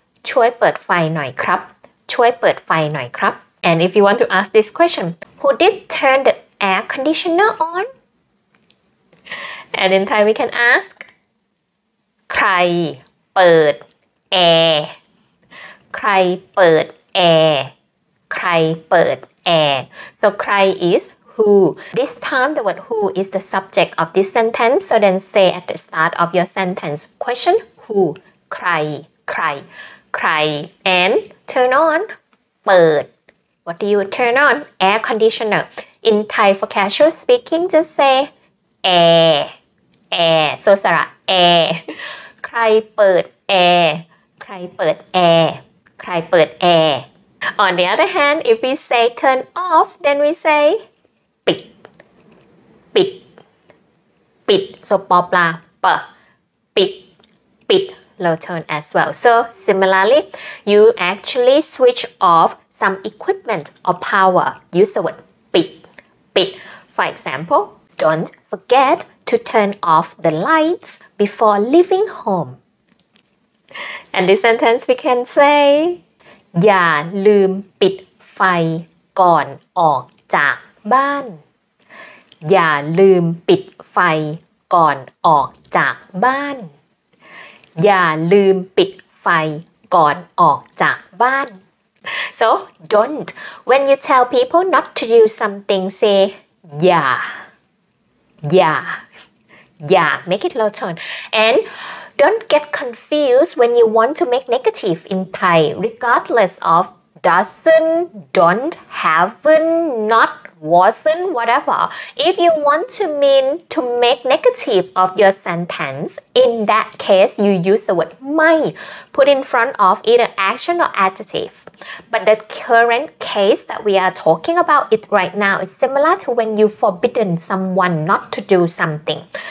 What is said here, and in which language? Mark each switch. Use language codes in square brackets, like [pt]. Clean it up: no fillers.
[th] ช่วยเปิดไฟหน่อยครับช่วยเปิดไฟหน่อยครับ [en] and if you want to ask this question who did turn the air conditioner on and in Thai we can ask [th] ใครเปิดแอร์ใครเปิดแอร์ใครเปิดแอร์ [en] so ใคร is who. This time, the word who is the subject of this sentence. So then say at the start of your sentence, question who, ใคร, ใคร, ใคร, and turn on, เปิด. What do you turn on? Air conditioner. In Thai for casual speaking, just say air, air. So Sarah, air. [th] ใครเปิด air? ใครเปิด air? ใครเปิด air? [en] On the other hand, if we say turn off, then we say ปิดปิดปิด so ปอปลาปะปิดปิด low tone as well. So similarly, you actually switch off some equipment or power. Use the word ปิดปิด For example, don't forget to turn off the lights before leaving home. And this sentence we can say. [th] อย่าลืมปิดไฟก่อนออกจากบ้านอย่าลืมปิดไฟก่อนออกจากบ้าน อย่าลืมปิดไฟก่อนออกจากบ้าน [en] so don't when you tell people not to do something say อย่าอย่าอย่า make it low tone andDon't get confused when you want to make negative in Thai, regardless of doesn't, don't, haven't, not, wasn't, whatever. If you want to mean to make negative of your sentence, in that case, you use the word ไม่ put in front of either action or adjective. But the current case that we are talking about it right now is similar to when you forbidden someone not to do something.